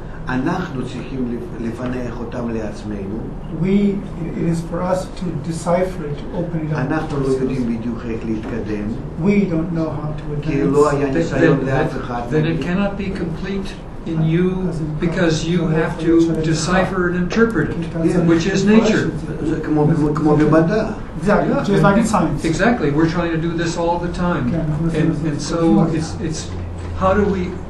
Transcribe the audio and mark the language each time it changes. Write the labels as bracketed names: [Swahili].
[Hebrew] אנחנו צריכים לפענח אותם לעצמנו. [English] It is for us to decipher it, to open it up. [Hebrew] אנחנו לא יודעים בדיוק איך להתקדם. [English] We don't know how to advance. [Hebrew] כי לא היה ניסיון לאף אחד. [English] Then it cannot be complete in you because you have to decipher and interpret it, which is nature. [Hebrew] זה כמו במדע. [English] Exactly, just like in science. Exactly, we're trying to do this all the time. And so it's how do we...